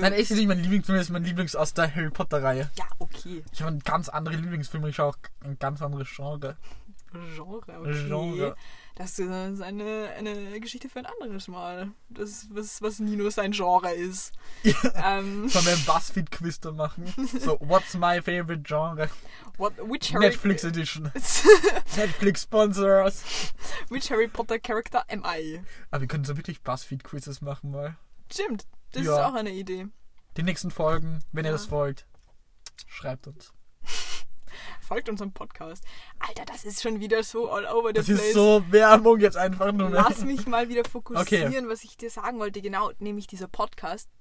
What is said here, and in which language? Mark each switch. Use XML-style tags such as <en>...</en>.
<de>Nein, ist nicht mein Lieblingsfilm, ist mein Lieblings aus der Harry Potter-Reihe. Ja, okay. Ich habe einen ganz anderen Lieblingsfilm, ich schaue auch ein ganz anderes Genre. Genre, okay. Genre. Das ist eine Geschichte für ein anderes Mal. Das ist, was Nino sein Genre ist. Ja. Sollen wir ein Buzzfeed-Quiz da machen?</de> <en>So, what's my favorite genre? Which Harry Netflix Edition. Netflix sponsors. Which Harry Potter character am I?</en> <de>Aber wir können so wirklich Buzzfeed-Quizzes machen mal. Stimmt, das ist auch eine Idee. Die nächsten Folgen, wenn ihr das wollt, schreibt uns. Folgt unserem Podcast. Alter, das ist schon wieder so</de> <en>all over the</en> <de>das</de> <en>place.</en> <de>Das ist so Werbung jetzt einfach nur. Lass mich mal wieder fokussieren, okay, was ich dir sagen wollte. Genau, nämlich dieser Podcast.</de>